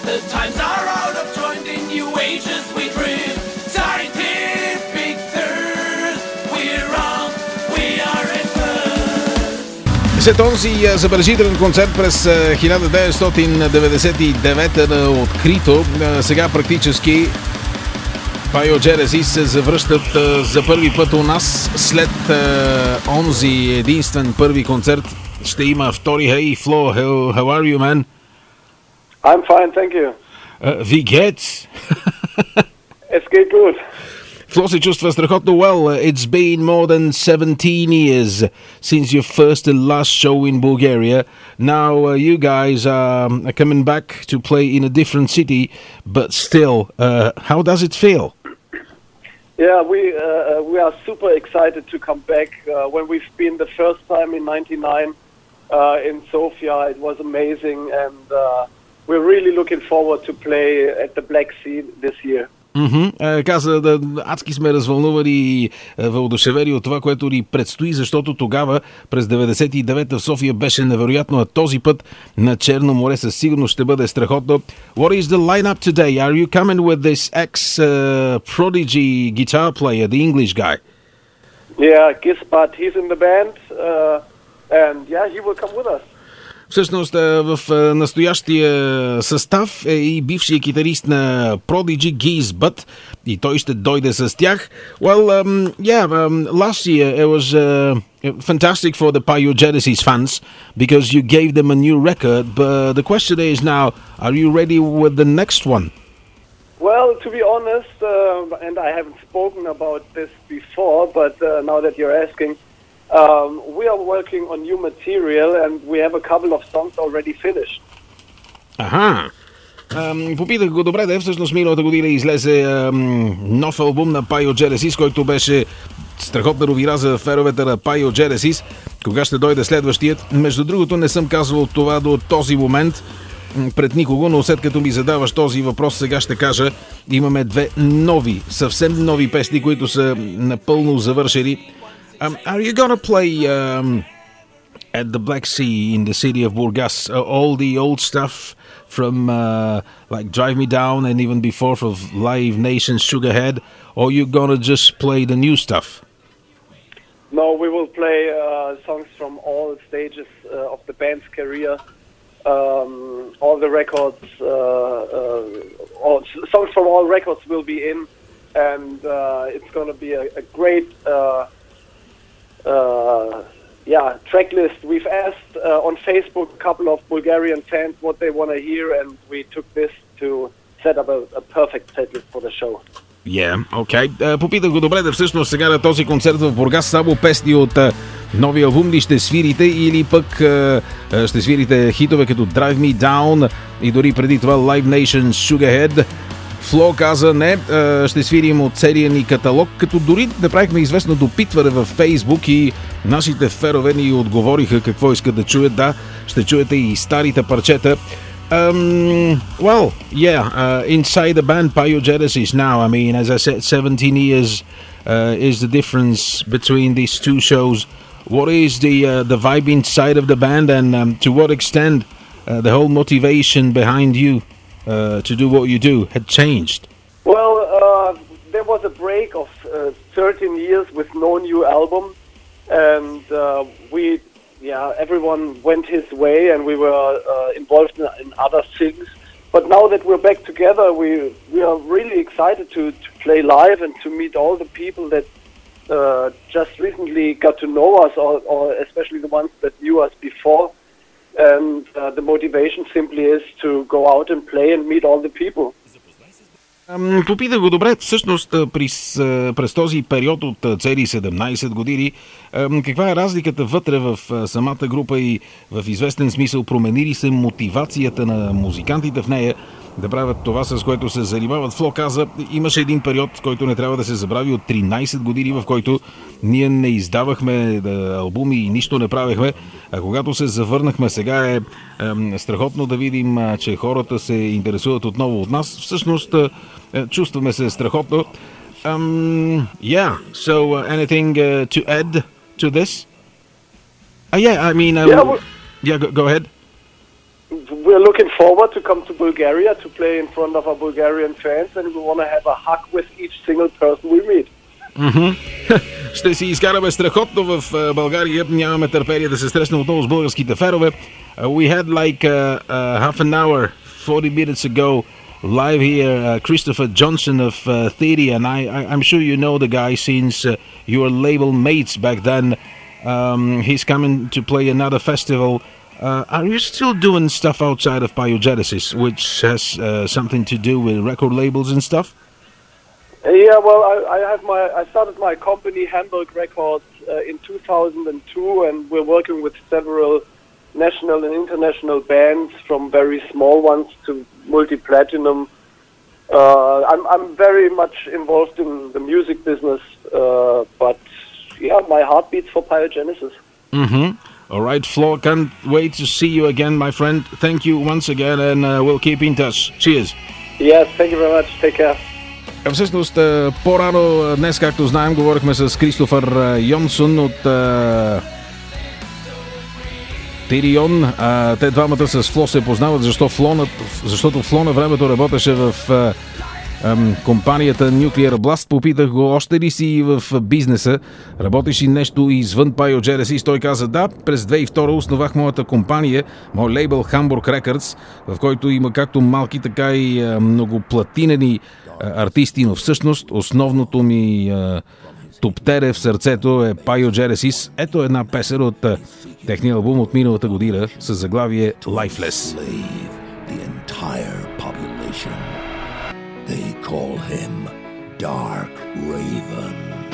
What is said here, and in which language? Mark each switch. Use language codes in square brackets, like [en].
[en] times are out of joint, in new ages we drift. Scientific thirst, we're wrong, we are at first. [bg] Се този забележителен концерт през 1999 на открито, сега практически Bio Genesis се завръщат за първи път у нас след онзи единствен първи концерт. Ще има втори. [en] Hey Flo, how are you, man? I'm fine, thank you. [de] Wie geht's? Es geht gut. [bg] Flo се чувства страхотно well. [en] It's been more than 17 years since your first and last show in Bulgaria. Now you guys are coming back to play in a different city, but still, how does it feel? Yeah, we are super excited to come back. When we've been the first time in 99 in Sofia, it was amazing, and we're really looking forward to play at the Black Sea this year. Mm-hmm. [bg] Каза да, адски сме развълнували и въодушевели от това, което ни предстои, защото тогава през 99-та в София беше невероятно, а този път на Черно море със сигурност ще бъде страхотно. [en] What is the lineup today? Are you coming with this ex prodigy guitar player, the English guy? Yeah, Gisbert, he's in the band, and yeah, he will come with us. [bg] Всъщност в настоящия състав е и бившия китарист на Prodigy, Geez Butt, и той ще дойде с тях. [en] Well, last year it was fantastic for the Pyogenesis fans because you gave them a new record, but the question is now, are you ready with the next one? Well, to be honest, and I haven't spoken about this before, but now that you're asking, we are working on new material and we have a couple of songs already finished. Аха. [bg] Попитах го, добре, да е, всъщност миналата година излезе нов албум на Pyogenesis, който беше страхотна ровира за феновете на Pyogenesis. Кога ще дойде следващият? Между другото, не съм казвал това до този момент пред никого, но след като ми задаваш този въпрос, сега ще кажа, имаме две нови, съвсем нови песни, които са напълно завършени. [en] Are you going to play at the Black Sea in the city of Burgas all the old stuff from like Drive Me Down and even before from Live Nation Sugarhead, or are you going to just play the new stuff? No, we will play songs from all stages of the band's career, all the records, all songs from all records will be in, and it's going to be a great tracklist. We've asked on Facebook a couple of Bulgarian fans what they want to hear, and we took this to set up a perfect tracklist for the show. Yeah, okay. [bg] Попитах го, добре, да всъщност сега на този концерт в Бургас само песни от нови албуми ще свирите, или пък ще свирите хитове като Drive Me Down и дори преди това Live Nation Sugarhead? Фло каза не, ще свирим от серия ни каталог, като дори направихме известно допитване във Фейсбук и нашите ферове ни отговориха какво искат да чуят. Да, ще чуете и старите парчета. [en] Inside the band Pyogenesis now, I mean, as I said, 17 years is the difference between these two shows. What is the vibe inside of the band, and to what extent the whole motivation behind you to do what you do had changed? Well, there was a break of 13 years with no new album, and everyone went his way, and we were involved in other things. But now that we're back together, we are really excited to play live and to meet all the people that just recently got to know us, or especially the ones that knew us before. And the motivation simply is to go out and play and meet all the people. [bg] Попита го, добре, всъщност през този период от цели 17 години, каква е разликата вътре в самата група и в известен смисъл промени ли се мотивацията на музикантите в нея да правят това, с което се занимават? Фло каза, имаше един период, който не трябва да се забрави, от 13 години, в който ние не издавахме албуми и нищо не правехме. А когато се завърнахме, сега е страхотно да видим, че хората се интересуват отново от нас. Всъщност, чувстваме се страхотно. [en] Anything to add to this? Yeah, go ahead. we're looking forward to come to Bulgaria to play in front of our Bulgarian fans, and we want to have a hug with each single person we meet. Mm-hmm. [bg] Ще си изкараме страхотно в България. Нямаме търпение да се срещнем отново с българските ферове. [en] We had like half an hour, 40 minutes ago, live here, Christopher Johnson of Theory, and I'm sure you know the guy since your label mates back then. He's coming to play another festival. Are you still doing stuff outside of Biogenesis, which has something to do with record labels and stuff? Yeah, well, I started my company Hamburg Records in 2002, and we're working with several national and international bands, from very small ones to multi-platinum. I'm very much involved in the music business, but yeah, my heart beats for Biogenesis. Mm-hmm. All right, Flo, can't wait to see you again, my friend. Thank you once again, and we'll keep in touch. Cheers. Yes, thank you very much. Take care. [bg] Всъщност, по-рано днес, както знаем, говорихме с Кристофър Йонсон от Тирион. Те двамата с Фло се познават. Защото Фло на времето работеше в компанията Nuclear Blast. Попитах го, още ли си в бизнеса? Работиш ли нещо извън Biogenesis? Той каза да. През 2002 основах моята компания, мой лейбъл Hamburg Records, в който има както малки, така и многоплатинени артисти, но всъщност основното ми топтере в сърцето е Biogenesis. Ето една песен от техния албум от миналата година с заглавие Lifeless. [en] The entire population. They call him Dark Raven.